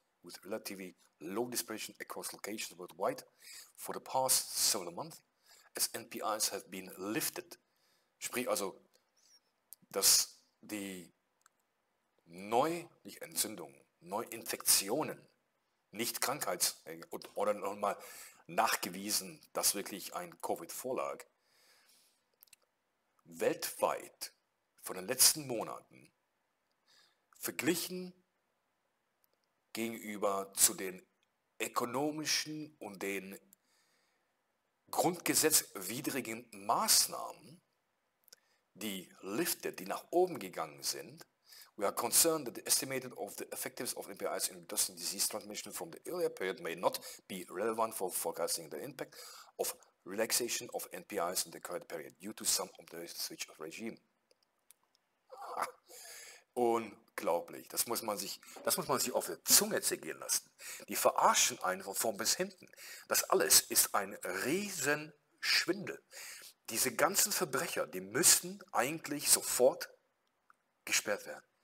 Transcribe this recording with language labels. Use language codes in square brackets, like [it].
[en] With relatively low dispersion across locations worldwide for the past several months, as NPIs have been lifted. [de] Sprich also, dass die Neu, nicht Entzündung, Neuinfektionen, nicht Krankheits- oder nochmal nachgewiesen, dass wirklich ein Covid vorlag, weltweit von den letzten Monaten verglichen gegenüber zu den ökonomischen und den grundgesetzwidrigen Maßnahmen, die lifted, die nach oben gegangen sind. [en] We are concerned that the estimated of the effectiveness of NPIs in reducing disease transmission from the earlier period may not be relevant for forecasting the impact of relaxation of NPIs in the current period due to some of the switch of regime. [de] Unglaublich. Das muss man sich auf der Zunge zergehen lassen. Die verarschen einen von vorn bis hinten. Das alles ist ein Riesenschwindel. Diese ganzen Verbrecher, die müssen eigentlich sofort gesperrt werden.